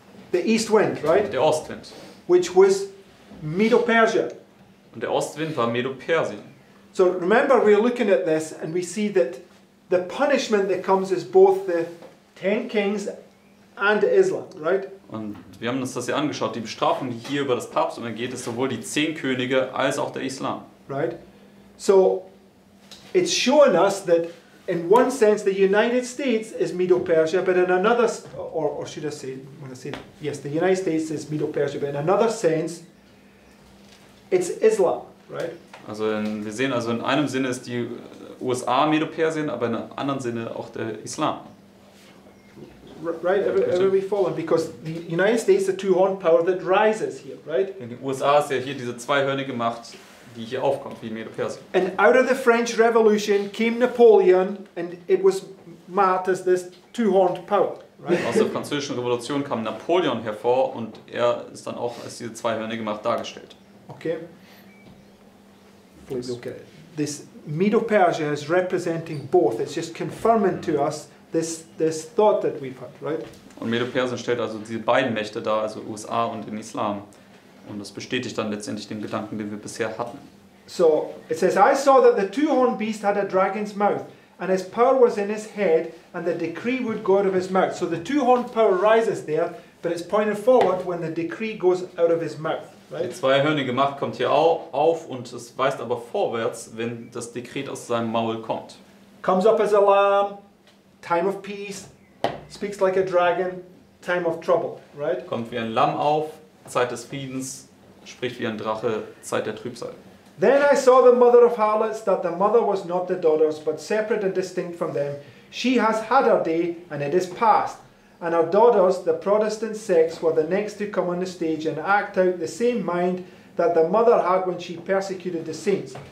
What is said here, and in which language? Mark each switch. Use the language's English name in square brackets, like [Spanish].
[English] The east wind, right? [German] Der Ostwind. [English] Which was Medo-Persia. [German] Und der Ostwind war Medo-Persien. [English] So remember, we're looking at this and we see that the punishment that comes is both the ten kings and Islam, right? [German] Und wir haben uns das hier angeschaut. Die Bestrafung, die hier über das Papsttum geht, ist sowohl die zehn Könige als auch der Islam. [English] Right? So it's showing us that In one sense, the United States is Medo-Persia, but in another, or should I say, when I say, yes, the United States is Medo-Persia, but in another sense, it's Islam, right? [German] Also, wir sehen, also in einem Sinne ist die USA Medo-Persien, aber in einem anderen Sinne auch der Islam. [English] Right, everybody follow, because the United States is a two-horned power that rises here, right? [German] In den USA ist ja hier diese zweihörnige Macht, die hier aufkommt, wie Medo-Persien. [English] And out of the French Revolution came Napoleon, and it was marked as this two-horned power, right? [German] Aus der Französischen Revolution kam Napoleon hervor, und er ist dann auch als diese zweihörnige Macht dargestellt. [English] Okay. Please look at it. This Medo-Persia is representing both. It's just confirming to us this thought that we've had, right? [German] Und Medo-Persien stellt also diese beiden Mächte dar, also USA und den Islam. Und das bestätigt dann letztendlich den Gedanken, den wir bisher hatten. [English] So, it says, I saw that the two-horned beast had a dragon's mouth, and his power was in his head, and the decree would go out of his mouth. So the two-horned power rises there, but it's pointed forward when the decree goes out of his mouth, right? [German] Die zweihörnige Macht kommt hier auf, und es weist aber vorwärts, wenn das Dekret aus seinem Maul kommt. [English] Comes up as alarm, time of peace, speaks like a dragon, time of trouble, right? [German] Kommt wie ein Lamm auf, Zeit des Friedens, spricht wie ein Drache, Zeit der Trübsal. [English] Then I saw the mother of harlots, that the mother was not the daughters, but separate and distinct from them. She has had her day, and it is past. And her daughters, the Protestant sects, were the next to come on the stage and act out the same mind that the mother had when she persecuted the saints.